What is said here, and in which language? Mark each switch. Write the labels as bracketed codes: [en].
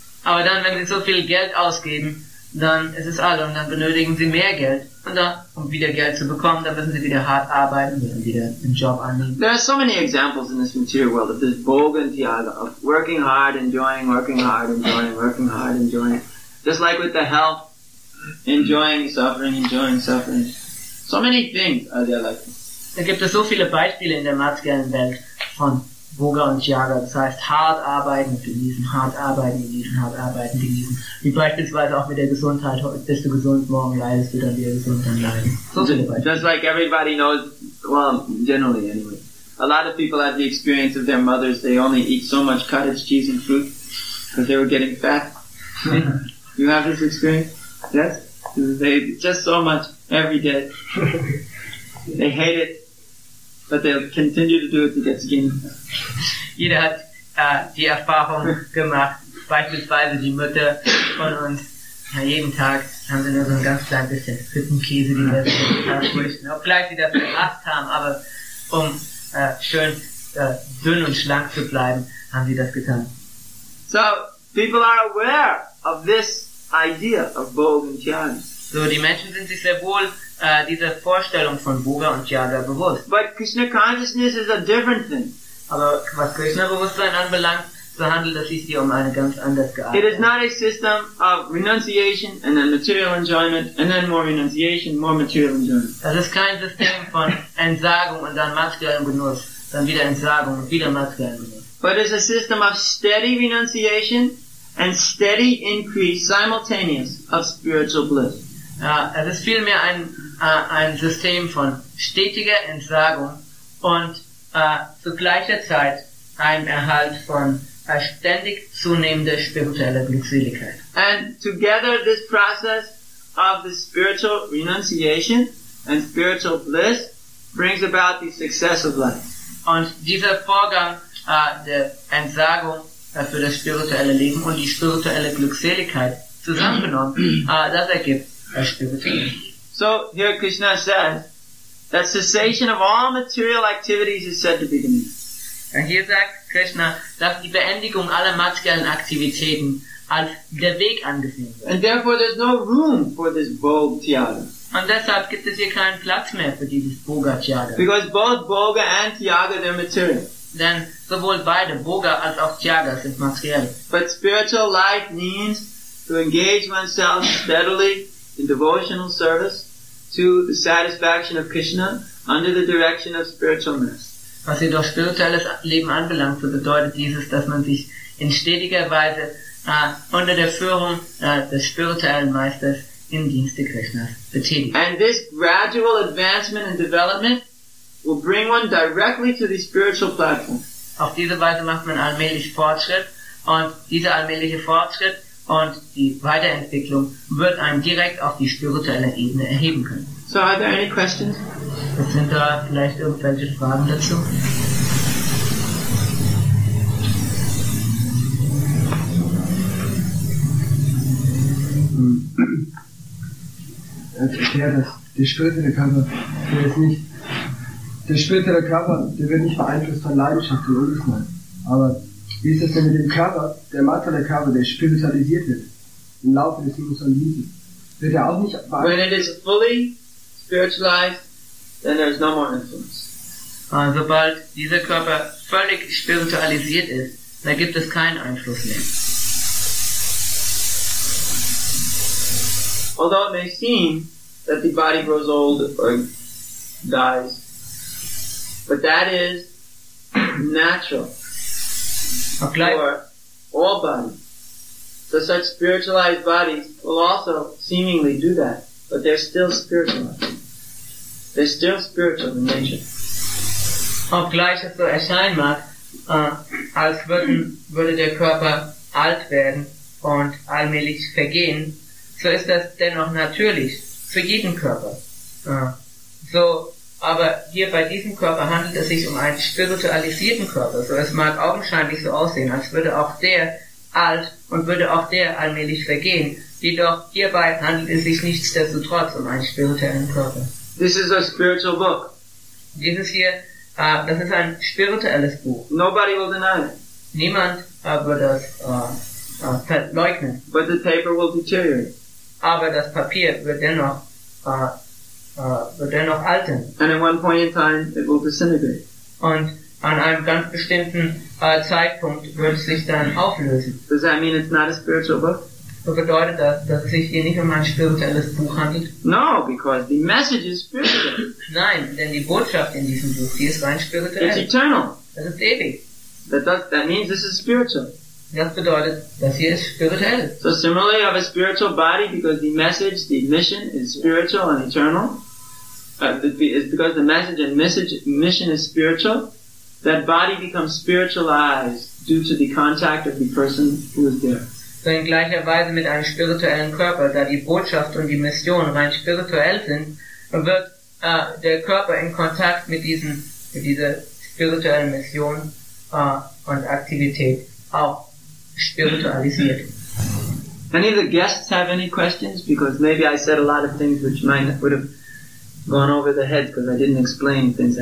[de] Aber dann, wenn sie so viel Geld ausgeben, dann ist es alle und dann benötigen sie mehr Geld. Und dann, um wieder Geld zu bekommen, dann müssen sie wieder hart arbeiten, müssen wieder einen Job annehmen. [en] There are so many examples in this material world of this Bogen Tiaga, of working hard, enjoying, working hard, enjoying, working hard, enjoying. Just like with the health, enjoying, suffering. So many things are there like this. [de] Da gibt es so viele Beispiele in der materiellen Welt von Boga und Tiaga. Das heißt, hart arbeiten, genießen, hart arbeiten, genießen, hart arbeiten, genießen. Wie beispielsweise auch mit der Gesundheit. Bist du gesund, morgen leidest du, dann wieder gesund, dann leiden. So viele Beispiele. [en] Just like everybody knows, well, generally anyway. A lot of people have the experience of their mothers, they only eat so much cottage cheese and fruit, because they were getting fat. You have this experience? Yes? They just so much every day. They hate it. But they'll continue to do it to get skinny. [de] Jeder hat die Erfahrung gemacht, beispielsweise die Mütter von uns. Ja, jeden Tag haben sie nur so ein ganz klein bisschen Hüttenkäse, die wir so anfrüchten. Obgleich sie das gemacht haben, aber um schön dünn und schlank zu bleiben, haben sie das getan. [en] So, people are aware of this idea of Bogen Tiaga. [de] So, die Menschen sind sich sehr wohl diese Vorstellung von Boga und Tiaga bewusst. [en] But Krishna consciousness is a different thing. [de] Aber was Krishna-Bewusstsein anbelangt, so handelt es sich hier um eine ganz anders geartete. [en] It is not a system of renunciation and then material enjoyment and then more renunciation, more material enjoyment. [de] Das ist kein System von Entsagung und dann materiellem Genuss, dann wieder Entsagung und wieder materiellem Genuss. [en] but is a system of steady renunciation and steady increase simultaneous of spiritual bliss. [de] Es ist vielmehr ein System von stetiger Entsagung und zu gleicher Zeit ein Erhalt von ständig zunehmender spiritueller Glückseligkeit. [en] And together this process of the spiritual renunciation and spiritual bliss brings about the success of life. [de] Und dieser Vorgang der Entsagung für das spirituelle Leben und die spirituelle Glückseligkeit zusammengenommen, das ergibt das spirituelle Leben. [en] So here Krishna says that cessation of all material activities is said to be the means. [de] Und hier sagt Krishna, dass die Beendigung aller materiellen Aktivitäten als der Weg angesehen wird. [en] And therefore there's no room for this bhoga tyaga. [de] Und deshalb gibt es hier keinen Platz mehr für dieses bhoga tyaga. [en] Because both bhoga and tyaga they're material. [de] Denn sowohl beide, bhoga als auch tyaga, sind materiell. [en] But spiritual life means to engage oneself steadily in devotional service to the satisfaction of Krishna under the direction of spiritualness. [de] Was jedoch spirituelles Leben anbelangt, so bedeutet dieses, dass man sich in stetiger Weise unter der Führung des spirituellen Meisters im Dienste Krishnas betätigt. [en] And this gradual advancement and development will bring one directly to the spiritual platform. [de] Auf diese Weise macht man allmählich Fortschritt und dieser allmähliche Fortschritt und die Weiterentwicklung wird einen direkt auf die spirituelle Ebene erheben können. [en] So, are there any questions? [de] Sind da vielleicht irgendwelche Fragen dazu? Jetzt erklärt das, der spirituelle Körper, der ist nicht, der spirituelle Körper, der wird nicht beeinflusst von Leidenschaft und Unwissenheit. Aber wie ist das denn mit dem Körper, der materielle Körper, der spiritualisiert wird, im Laufe des Lebens und Lebens, wird er auch nicht beeinflusst? Wenn er ist [en] fully spiritualized, then there is no more influence. [de] Sobald dieser Körper völlig spiritualisiert ist, dann gibt es keinen Einfluss mehr. [en] Although it may seem that the body grows old or dies, but that is natural for all bodies. So such spiritualized bodies will also seemingly do that, but they're still spiritualized. They're still spiritual in nature. [de] Obgleich es so erscheinen mag, als würde der Körper alt werden und allmählich vergehen, so ist das dennoch natürlich für jeden Körper. So, aber hier bei diesem Körper handelt es sich um einen spiritualisierten Körper. So, es mag augenscheinlich so aussehen, als würde auch der alt und würde auch der allmählich vergehen. Jedoch hierbei handelt es sich nichtsdestotrotz um einen spirituellen Körper. [en] This is a spiritual book. [de] Dieses hier, das ist ein spirituelles Buch. [en] Nobody will deny it. [de] Niemand wird das verleugnen. [en] But the paper will deteriorate. [de] Aber das Papier wird dennoch altern. [en] And at one point in time, it will disintegrate. [de] Und an einem ganz bestimmten Zeitpunkt wird es sich dann auflösen. [en] Does that mean it's not a spiritual book? [de] Was bedeutet das, dass es sich hier nicht um ein spirituelles Buch handelt? [en] No, because the message is spiritual. [de] Nein, denn die Botschaft in diesem Buch, die ist rein spirituell. [en] It's eternal. [de] Das ist ewig. [en] That means this is spiritual. [de] Das bedeutet, dass hier ist spirituell. [en] So similarly of a spiritual body, because the message, the mission is spiritual and eternal. It's because the message and mission is spiritual. That body becomes spiritualized due to the contact of the person who is there. [de] So in gleicher Weise mit einem spirituellen Körper, da die Botschaft und die Mission rein spirituell sind, wird der Körper in Kontakt mit dieser spirituellen Mission und Aktivität auch spiritualisiert. [en] Any of the guests have any questions? Because maybe I said a lot of things which might would have gone over the head because I didn't explain things.